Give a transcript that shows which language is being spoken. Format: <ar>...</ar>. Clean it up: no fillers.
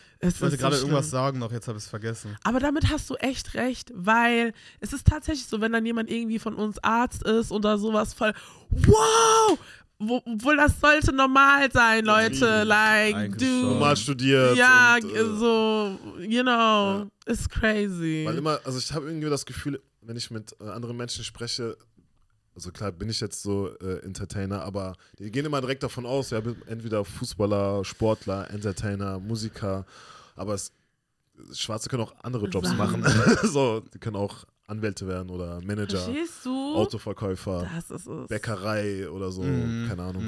<de>Ich wollte gerade irgendwas sagen noch, jetzt habe ich es vergessen. Aber damit hast du echt recht, weil es ist tatsächlich so, wenn dann jemand irgendwie von uns Arzt ist oder sowas voll, wow, obwohl das sollte normal sein, Leute, like, du. Normal studiert. Ja, und, so,</de> <en>you know, it's crazy.</en> <de>Weil immer, also ich habe irgendwie das Gefühl, wenn ich mit anderen Menschen spreche, also klar bin ich jetzt so Entertainer, aber die gehen immer direkt davon aus, ja, entweder Fußballer, Sportler, Entertainer, Musiker, aber es, Schwarze können auch andere Jobs machen. So, die können auch Anwälte werden oder Manager, Autoverkäufer, Bäckerei oder so, keine Ahnung.</de>